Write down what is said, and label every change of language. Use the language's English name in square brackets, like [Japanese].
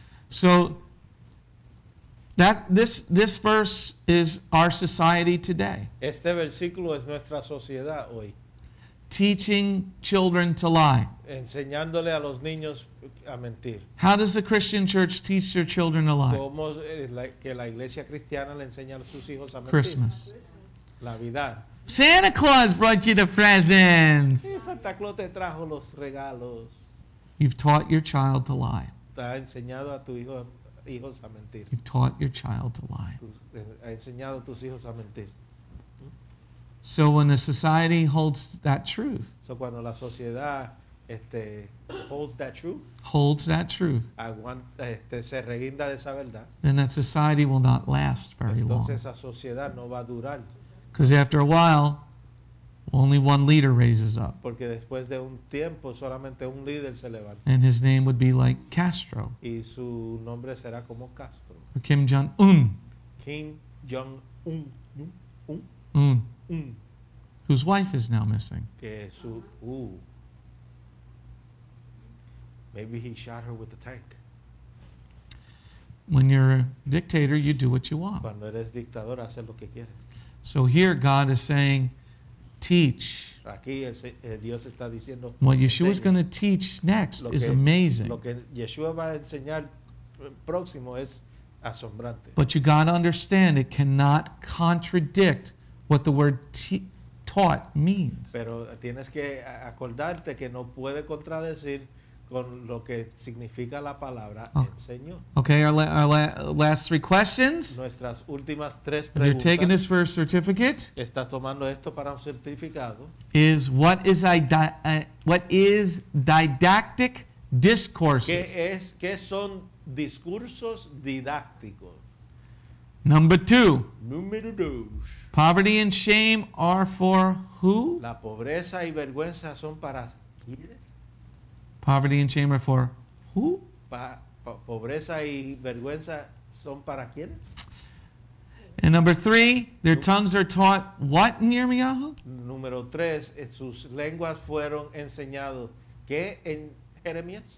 [English] So that this verse is our society today. [Spanish] Este versículo es nuestra sociedad hoy. [English] Teaching children to lie. [Spanish] Enseñándole a los niños a mentir. [English] How does the Christian church teach their children to lie? [Spanish] ¿Cómo que la iglesia cristiana le enseña a sus hijos a mentir? [English] Christmas. [Spanish] Navidad. [English] Santa Claus brought you the presents. [Spanish] Santa Claus te trajo los regalos. [English] You've taught your child to lie. [Spanish] Ha enseñado a tus hijos a mentir. [English] You've taught your child to lie. [Spanish] Ha enseñado a tus hijos a mentir. [English] So when a society holds that truth, [Spanish] so cuando la sociedad [English] holds that truth, [Spanish] aguanta, se reguinda de esa verdad, [English] then that society will not last very [Spanish] entonces [English] long. [Spanish] Esa sociedad no va a durar. [English] Because after a while, only one leader raises up. [Spanish] Porque después de un tiempo, solamente un líder se levanta. [English] And his name would be like Castro. [Spanish] Y su nombre será como Castro. [English] Or Kim Jong-un. [Spanish] Kim Jong-un. [English] Whose wife is now missing. [Spanish] Que su, [English] maybe he shot her with a tank. When you're a dictator, you do what you want. [Spanish] Cuando eres dictador, hace lo que quieres. [English] So here God is saying, teach. [Spanish] Aquí Dios está diciendo, [English] what Yeshua is going to teach next is amazing. [Spanish] Lo que Yeshua va a enseñar próximo es asombrante. [English] But you got to understand, it cannot contradict what the word taught means. [Spanish] Pero tienes que acordarte que no puede contradecir con lo que significa la palabra enseñó. [English] Okay, our last three questions. [Spanish] Nuestras últimas tres preguntas. [English] You're taking this for a certificate. [Spanish] Estás tomando esto para un certificado. [English] Is what is didactic discourses? [Spanish] ¿Qué son discursos didácticos? [English] Number two. [Spanish] Número dos. [English] Poverty and shame are for who? [Spanish] La pobreza y vergüenza son para quién? [English] Poverty and shame are for who? [Spanish] Pobreza y vergüenza son para quién? [English] And number three, their tongues are taught what in Yirmiyahu? [Spanish] Número tres, sus lenguas fueron enseñados ¿qué en Jeremías?